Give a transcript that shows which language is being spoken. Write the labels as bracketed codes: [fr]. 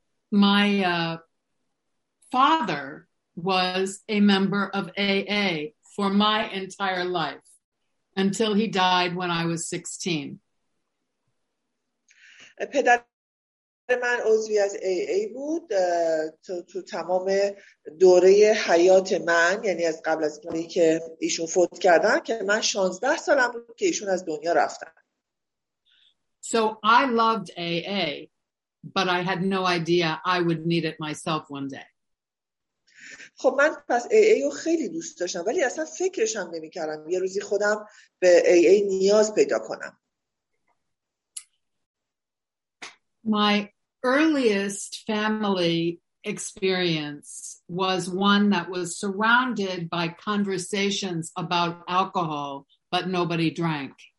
[en] My father was a member of AA for my entire life until he died when I was 16. [fa] پدر من عضوی از AA بود تو تمام دوره حیات من، یعنی از قبل از اینکه که ایشون فوت کردن که من 16 سالم بود که ایشون از دنیا رفتن. [en] So I loved AA. But I had no idea I would need it myself one day. [fa] خب من پس AA رو خیلی دوست داشتم ولی اصلا فکرش هم نمی‌کردم یه روزی خودم به AA نیاز پیدا کنم. [en] My earliest family experience was one that was surrounded by conversations about alcohol, but nobody drank.